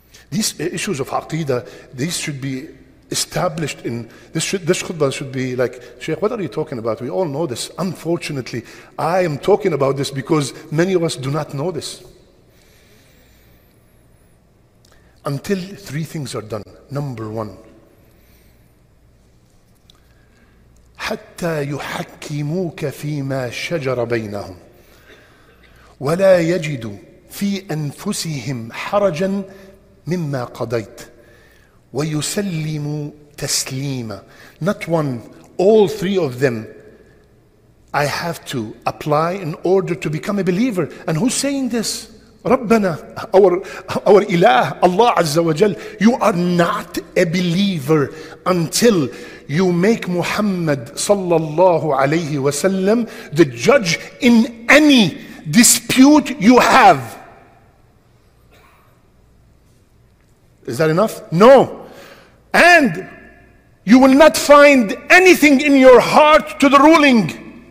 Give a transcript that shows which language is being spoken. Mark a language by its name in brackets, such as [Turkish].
[English] These issues of aqidah, these should be established in, this khutbah should be like, Shaykh, what are you talking about? We all know this. Unfortunately, I am talking about this because many of us do not know this. Until three things are done. Number one, [Arabic] حتى يحكموك فيما شجر بينهم ولا يجدوا في أنفسهم حرجا مما قضيت ويسلموا تسليما. [English] Not one, all three of them I have to apply in order to become a believer. And who's saying this? [Arabic] ربنا, [English] our [Arabic] إله, Allah عز وجل. [English] You are not a believer until you make Muhammad sallallahu alayhi wa sallam the judge in any dispute you have. Is that enough? No. And you will not find anything in your heart to the ruling.